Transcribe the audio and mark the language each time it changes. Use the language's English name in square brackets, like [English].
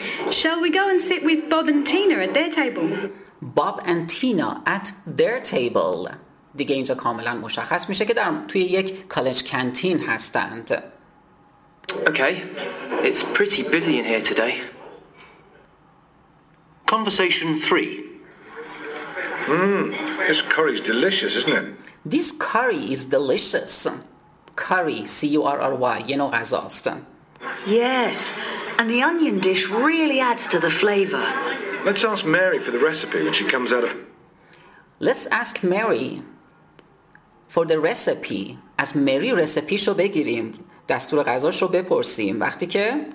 [English] Shall we go and sit with Bob and Tina at their table? Bob and Tina at their table. [Persian] دیگه اینجا کاملا مشخص میشه که توی یک کالج کانتین هستند. [English] Okay, it's pretty busy in here today. Conversation 3. This curry is delicious, isn't it? This curry is delicious. [Persian] Curry, C-U-R-R-Y, یه نوع غذا است. [English] Yes, and the onion dish really adds to the flavor. Let's ask Mary for the recipe when she comes out of... Let's ask Mary for the recipe. [Persian] از Mary رسپیشو بگیریم. دستور غذاشو بپرسیم. وقتی که...